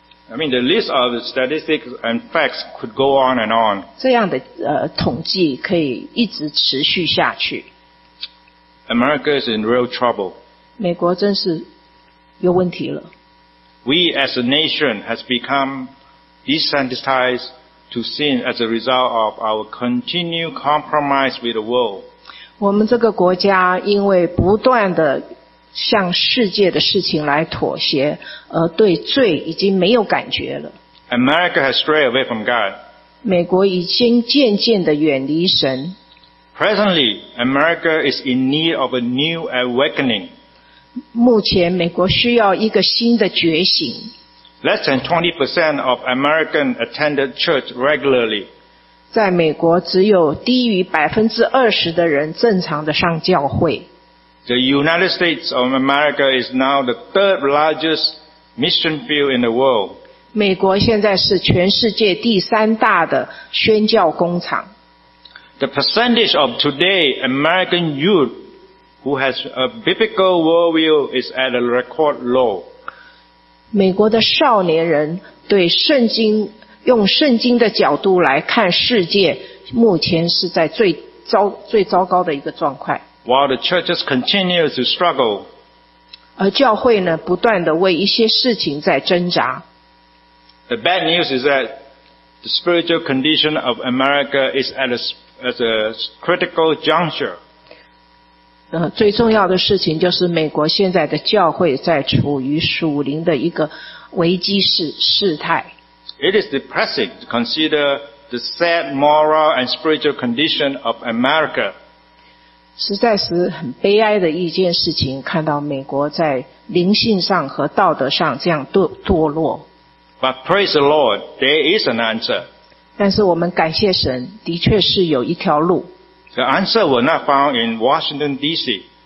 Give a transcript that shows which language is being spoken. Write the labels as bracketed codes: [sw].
[en] I mean, the list of statistics and facts could go on and on. [zh] 这样的统计可以一直持续下去。 [en] America is in real trouble. [zh] 美国真是有问题了。 [en] We as a nation has become desensitized to sin as a result of our continued compromise with the world. [zh] 我们这个国家因为不断的向世界的事情来妥协，而对罪已经没有感觉了。 [en] America has strayed away from God. [zh] 美国已经渐渐的远离神。 [en] Presently, America is in need of a new awakening. [zh] 目前美国需要一个新的觉醒。 [en] Less than 20% of Americans attended church regularly. [zh] 在美国只有低于 20% 的人正常的上教会。 [en] The United States of America is now the third largest mission field in the world. [zh] 美国现在是全世界第三大的宣教工厂。 [en] The percentage of today American youth who has a biblical worldview is at a record low. [zh] 美国的少年人对圣经用圣经的角度来看世界，目前是在最糟糕的一个状况。 [en] While the churches continue to struggle, [zh] 而教会呢不断的为一些事情在挣扎。 [en] The bad news is that the spiritual condition of America is at a critical juncture. [zh] 最重要的事情就是美国现在的教会在处于属灵的一个危机事态。 [en] It is depressing to consider the sad moral and spiritual condition of America. [zh] 实在是很悲哀的一件事情，看到美国在灵性上和道德上这样堕落。 [en] But praise the Lord, there is an answer. [zh] 但是我们感谢神，的确是有一条路。 [en] The answer was not found in Washington D.C.